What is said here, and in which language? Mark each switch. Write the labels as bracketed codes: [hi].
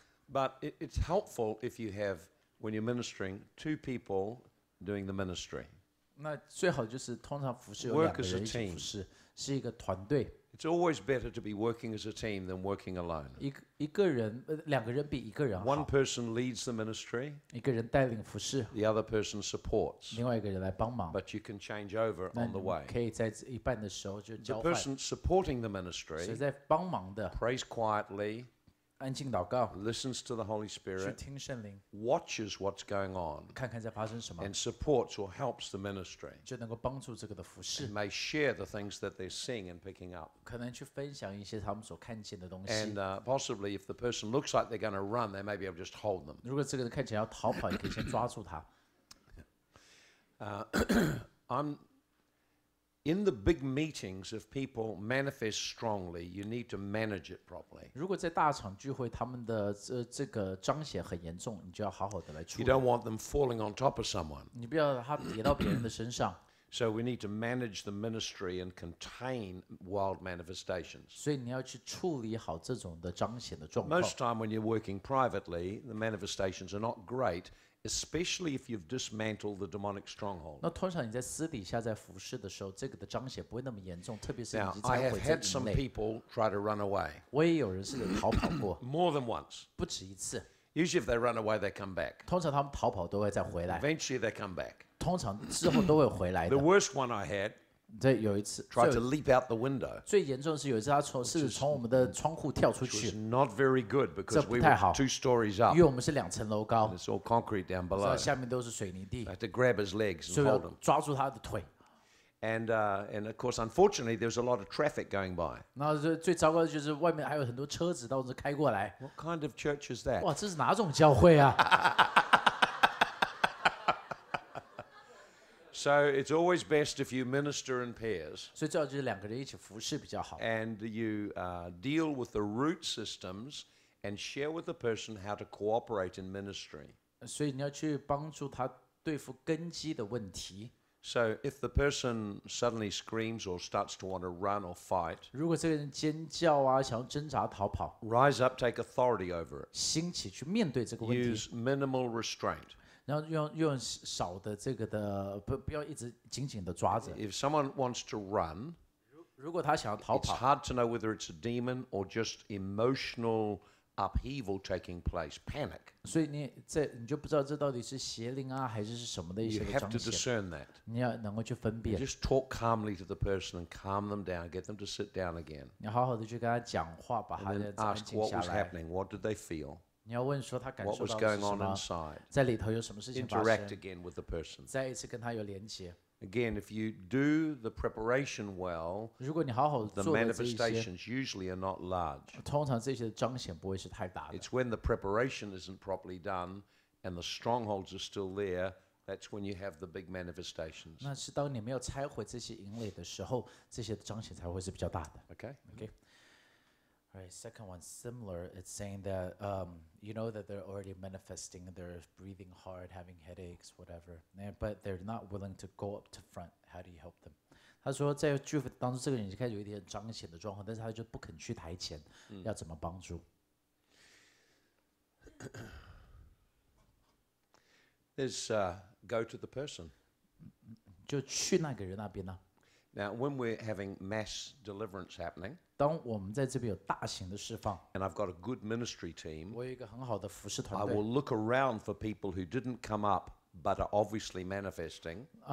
[en] But it's helpful if you have, when you're ministering, two people doing the ministry. [zh] 那最好就是通常服事有两个人一起服事。是一个团队, [en] it's always better to be working as a team than working alone. [zh] 两个人比一个人好, [en] one person leads the ministry, [zh] 一个人带领服事, [en] the other person supports. [zh] 另外一个人来帮忙, [en] but you can change over on the way. [zh] 可以在一半的时候就交换, [en] the person supporting the ministry [zh] 是在帮忙的, [en] prays quietly, [zh] 安静祷告, [en] listens to the Holy Spirit, [zh] 去听圣灵, [en] watches what's going on, [zh] 看看在发生什么, [en] and supports or helps the ministry, [zh] 就能够帮助这个的服事, [en] and may share the things that they're seeing and picking up. And possibly if the person looks like they're going to run, they may be able to just hold them. [zh] 如果这个人看起来要逃跑, 你可以先抓住他。 [en] In the big meetings, if people manifest strongly, you need to manage it properly. [zh] 如果在大场聚会，他们的这个彰显很严重, 你就要好好的来处理。 [en] You don't want them falling on top of someone. [zh] 你不要他跌到别人的身上。 [en] So we need to manage the ministry and contain wild manifestations. [zh] 所以你要去处理好这种的彰显的状况。 [en] Most time when you're working privately, the manifestations are not great, especially if you've dismantled the demonic stronghold. [zh] 那通常你在私底下在服事的时候, 这个的彰显不会那么严重, 特别是已经拆毁这个营垒。 [en] Now, I have had some people try to run away. [zh] 我也有人是逃跑过。 [en] More than once. [zh] 不止一次。 [en] Usually if they run away, they come back. [zh] 通常他们逃跑都会再回来。 [en] Eventually they come back. [zh] 通常之后都会回来的。 [en] The worst one I had, [zh] 对,有一次, [en] tried to leap out the window. [zh] 最严重是有一次他从我们的窗户跳出去。 [en] Which was not very good because we were two stories up. [zh] 因为我们是两层楼高, [en] and it's all concrete down below. [zh] 下面都是水泥地, [en] I had to grab his legs and hold him. [zh] 抓住他的腿。 [en] And of course, unfortunately, there's a lot of traffic going by. [zh] 那最糟糕的就是外面还有很多车子到这开过来。 [en] What kind of church is that? [zh] 哇,这是哪种教会啊? [en] So it's always best if you minister in pairs. [zh] 所以最好就是两个人一起服事比较好。 [en] And you deal with the root systems and share with the person how to cooperate in ministry. [zh] 所以你要去帮助他对付根基的问题。 [en] So if the person suddenly screams or starts to want to run or fight, [zh] 如果这个人尖叫啊, 想要挣扎逃跑, [en] rise up, take authority over it. [zh] 兴起去面对这个问题, [en] use minimal restraint. [zh] 然后用少的这个的, 不要一直紧紧地抓着。 [en] If someone wants to run, [zh] 如果他想要逃跑, [en] it's hard to know whether it's a demon or just emotional upheaval taking place, panic. [zh] 所以你就不知道这到底是邪灵啊, 还是什么的一些彰显。 [en] You have to discern that. [zh] 你要能够去分辨。 [en] You just talk calmly to the person and calm them down, get them to sit down again. [zh] 你好好的去跟他讲话, 把他的安静下来。 [en] And then ask what was happening, what did they feel? [zh] 你要问说他感受到是什么, [en] what was going on inside? [zh] 在里头有什么事情发生? [en] Interact again with the person. [zh] 再一次跟他有连接。 [en] Again, if you do the preparation well, the manifestations usually are not large. It's when the preparation isn't properly done and the strongholds are still there, that's when you have the big manifestations. Okay. All right. Right, second one's similar. It's saying that, you know, that they're already manifesting, they're breathing hard, having headaches, whatever, and, but they're not willing to go up to front. How do you help them? [zh] 他说在祝福当中这个人已经开始有一点彰显的状况，但是他就不肯去台前， 要怎么帮助？ [en] Is go to the person. [zh] 就去那个人那边啊。 [en] Now, when we're having mass deliverance happening, [zh] 当我们在这边有大型的释放, [en] and I've got a good ministry team, [zh] 我有一个很好的服侍团队, [en] I will look around for people who didn't come up but are obviously manifesting.